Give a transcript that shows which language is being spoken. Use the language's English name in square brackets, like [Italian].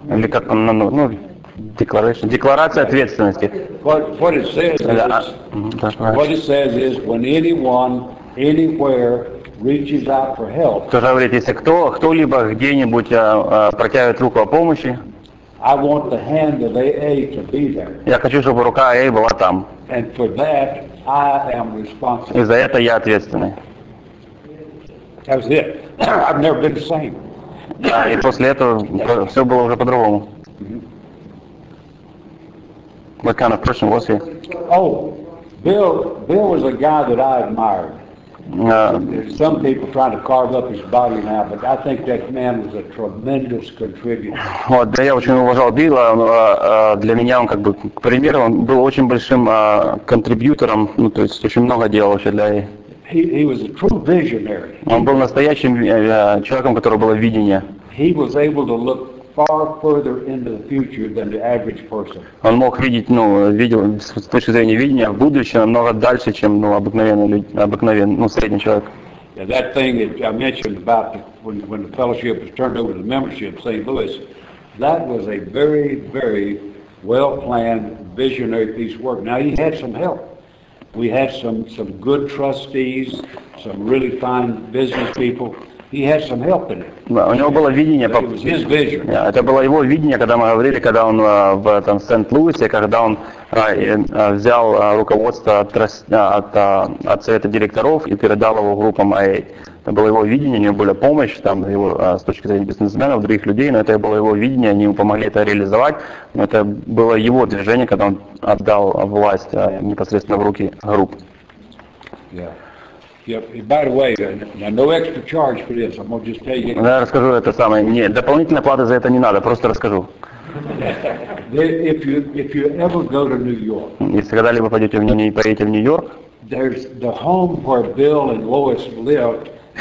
[Russian] Или как он Декларация ответственности. [English] What it says is when anyone anywhere reaches out for help. [Russian] То же говорит, если кто-либо где-нибудь протягивает руку о помощи. [English] I want the hand of AA to be there. [Russian] Я хочу, чтобы рука AA была там. [English] And for that, I am responsible. [Russian] И за это я ответственный. [English] That was it. I've never been the same. [Russian] И после этого все было уже по-другому. [English] What kind of person was he? Oh, Bill was a guy that I admired. There's some people trying to carve up his body now, but I think that man was a tremendous contributor. [Russian] Вот, да, я очень уважал Билла. Для меня он как бы пример. Он был очень большим контрибьютором. Ну, то есть очень много делал вообще для. [English] He was a true visionary. [Russian] Он был настоящим человеком, у которого было видение. [English] He was able to look far further into the future than the average person. [Russian] Он мог видеть, ну, видел с точки зрения видения в будущее намного дальше, чем, ну, обыкновенный средний человек. [English] Yeah, that thing that I mentioned about when the fellowship was turned over to the membership of St. Louis, that was a very, very well-planned, visionary piece of work. Now he had some help. We had some good trustees, some really fine business people. He had some help in it. [Russian] Да, у него было видение. [English] But it was his vision. [Russian] Yeah, это было его видение, когда мы говорили, когда он в этом Сент-Луисе, когда он взял руководство от совета директоров и передал его группам АЭ. это было его видение, у него была помощь там, его, с точки зрения бизнесменов, других людей, но это было его видение, они ему помогли это реализовать, но это было его движение, когда он отдал власть непосредственно в руки групп. Я расскажу это самое. Не, дополнительной платы за это не надо, просто расскажу. Если когда-либо пойдете в Нью-Йорк, поедете в Нью-Йорк, [English] there's the home where Bill and Lois lived.